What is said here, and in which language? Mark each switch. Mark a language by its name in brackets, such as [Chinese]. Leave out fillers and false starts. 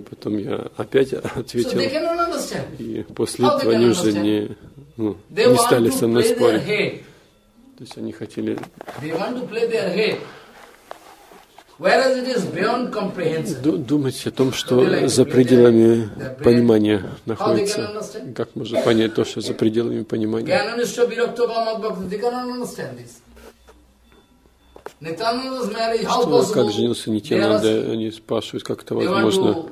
[Russian] Потом я опять ответил. И после этого они уже не стали со мной спорить. То есть они хотели. [English] They want to play their head. Whereas it is beyond comprehension. [Russian] Думать о том, что за пределами понимания находится. Как можно понять то, что за пределами понимания? [English] Can understand Birakta Bhagavad, they cannot understand this. Nityananda's marriage, how possible? [Russian] Что, как женился Нитьянанда? Они спрашивают, как это возможно?